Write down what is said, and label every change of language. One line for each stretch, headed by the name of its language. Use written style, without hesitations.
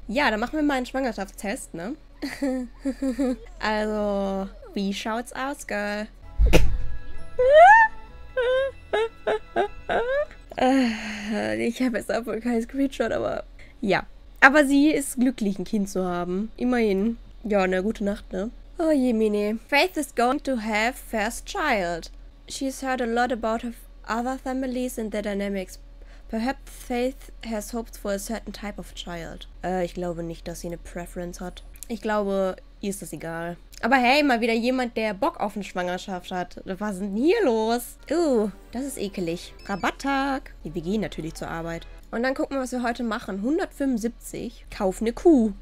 German: Ja, dann machen wir mal einen Schwangerschaftstest, ne? Also, wie schaut's aus, Girl? Ich habe jetzt auch wohl keinen Screenshot, aber ja. Aber sie ist glücklich, ein Kind zu haben. Immerhin. Ja, na, gute Nacht, ne? Oh je, Mini.
English: Faith is going to have first child. She's heard a lot about her other families and their dynamics. Perhaps Faith has hoped for a certain type of child.
German: Ich glaube nicht, dass sie eine Preference hat. Ich glaube, ihr ist das egal. Aber hey, mal wieder jemand, der Bock auf eine Schwangerschaft hat. Was ist denn hier los? Das ist ekelig. Rabatttag. Wir gehen natürlich zur Arbeit. Und dann gucken wir, was wir heute machen. 175. Kauf eine Kuh.